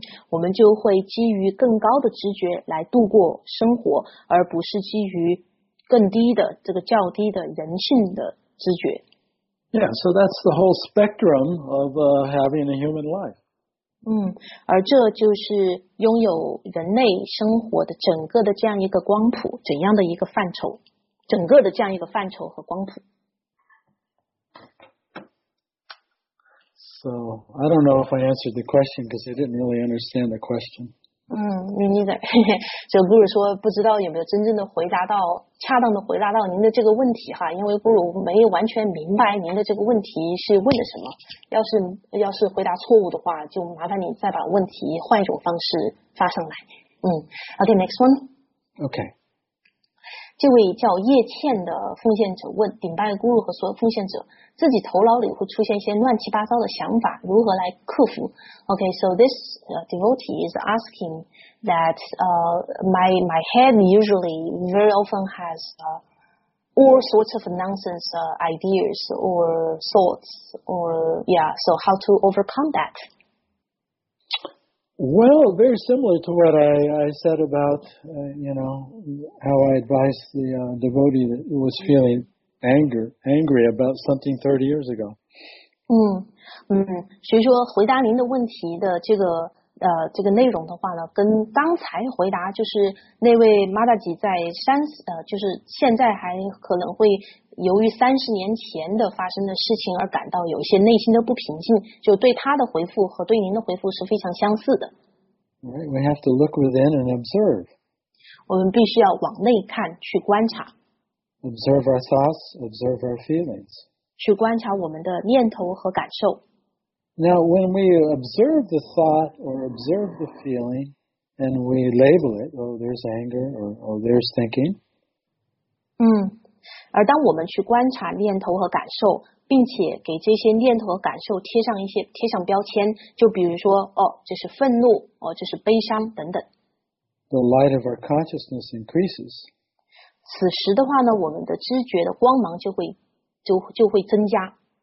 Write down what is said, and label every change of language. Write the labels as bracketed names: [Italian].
[Chinese] 我们就会基于更高的直觉来度过生活，而不是基于更低的这个较低的人性的直觉。 [English] Yeah, so that's the whole spectrum of having a human life. [Chinese] 而这就是拥有人类生活的整个的这样一个光谱，怎样的一个范畴？整个的这样一个范畴和光谱。 [English] So I don't know if I answered the question because I didn't really understand the question. Me neither. [Chinese] 所以布鲁说不知道有没有真正的回答到，恰当的回答到您的这个问题哈，因为布鲁没有完全明白您的这个问题是问的什么。要是回答错误的话，就麻烦你再把问题换一种方式发上来。 [English] Okay, next one. Okay. [Chinese] 这位叫叶倩的奉献者问顶拜咕噜和所有奉献者，自己头脑里会出现一些乱七八糟的想法，如何来克服？ [English] Okay, so this devotee is asking that my head usually very often has all sorts of nonsense ideas or thoughts or yeah, so how to overcome that? Well, very similar to what I said about, you know, how I advised the devotee that was feeling angry about something 30 years ago. [Chinese] 所以说回答您的问题的这个内容的话呢，跟刚才回答就是那位 Madaji 在就是现在还可能会由于30年前的发生的事情而感到有一些内心的不平静，就对他的回复和对您的回复是非常相似的。 [English] Right, we have to look within and observe. [Chinese] 我们必须要往内看，去观察。 [English] Observe our thoughts, observe our feelings. [Chinese] 去观察我们的念头和感受。 [English] Now, when we observe the thought or observe the feeling, and we label it, oh, there's anger, or oh, there's thinking. [Chinese] 而当我们去观察念头和感受，并且给这些念头和感受贴上标签，就比如说，哦，这是愤怒，哦，这是悲伤，等等。 [English] The light of our consciousness increases. [Chinese] 此时的话呢，我们的知觉的光芒就会增加。